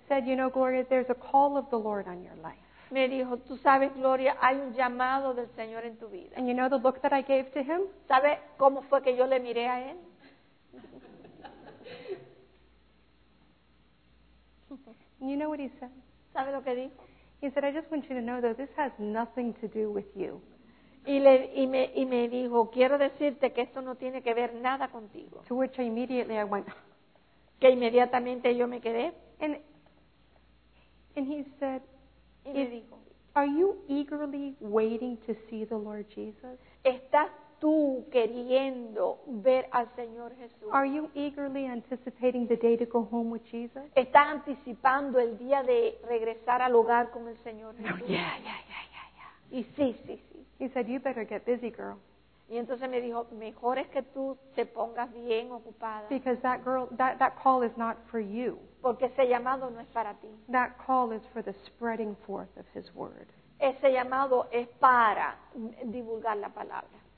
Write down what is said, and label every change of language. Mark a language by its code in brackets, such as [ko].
[en] said, you know, Gloria, there's a call of the Lord on your life. [es] Me dijo, tú sabes, Gloria, hay un llamado del Señor en tu vida. [en] And you know the look that I gave to him? [es] ¿Sabe cómo fue que yo le miré a él? [en] You know what he said? [es] ¿Sabe lo que dijo? [en] He said, I just want you to know though, this has nothing to do with you. [es] Y me dijo, quiero decirte que esto no tiene que ver nada contigo. [en] To which immediately I went. [es] Que inmediatamente yo me quedé. [en] And he said, [es] y me dijo, [en] are you eagerly waiting to see the Lord Jesus? [es] ¿Estás tú queriendo ver al Señor Jesús? [en] Are you eagerly anticipating the day to go home with Jesus? [es] ¿Estás anticipando el día de regresar al hogar con el Señor Jesús? [en] No, yeah. [es] Y sí. [en] He said, you better get busy, girl. [es] Y entonces me dijo, mejor es que tú te pongas bien ocupada. [en] Because that girl, that call is not for you. [es] Porque ese llamado no es para ti. [en] That call is for the spreading forth of His word. [es] Ese llamado es para divulgar la palabra.